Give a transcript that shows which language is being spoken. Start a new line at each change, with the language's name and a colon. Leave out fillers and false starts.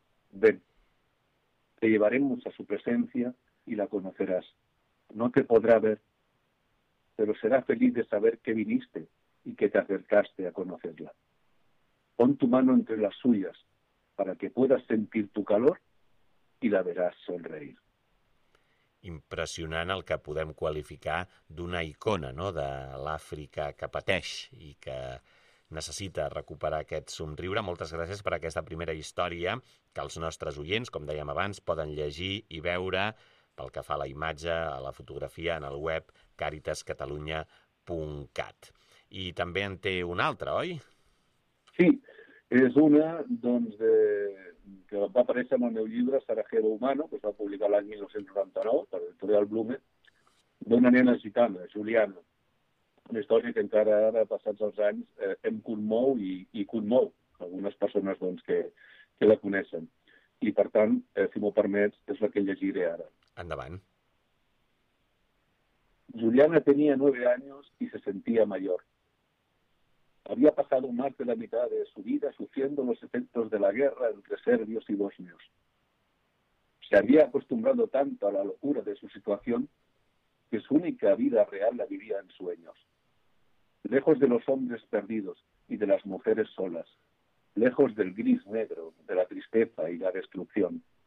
Spanish: Ven, te llevaremos a su presencia y la conocerás. No te podrá ver, pero será feliz de saber que viniste y que te acercaste a conocerla. Pon tu mano entre las suyas para que puedas sentir tu calor y la verás sonreír.
Catalan: Impressionant el que podem qualificar d'una icona, no?, de l'Àfrica que pateix i que necessita recuperar aquest somriure. Moltes gràcies per aquesta primera història que els nostres oients, com dèiem abans, poden llegir i veure pel que fa a la imatge, a la fotografia, en el web caritascatalunya.cat. I també en té una altra, oi? Sí, és una doncs, que va aparèixer en el meu llibre Sarajevo Humano, que es va publicar l'any 1999 per l'editorial Blume, d'una nena gitana, Juliana. Una història que encara ara, passats els anys, em conmou i conmou algunes persones doncs, que la coneixen. I, per tant, si m'ho permets, és la que llegiré ara. Endavant. Juliana tenia 9 anys i se sentia major.
Spanish: Había pasado más de la mitad de su vida sufriendo los efectos de la guerra entre serbios y bosnios. Se había acostumbrado tanto a la locura de su situación que su única vida real la vivía en sueños. Lejos de los hombres perdidos y de las mujeres solas, lejos del gris negro, de la tristeza y la destrucción.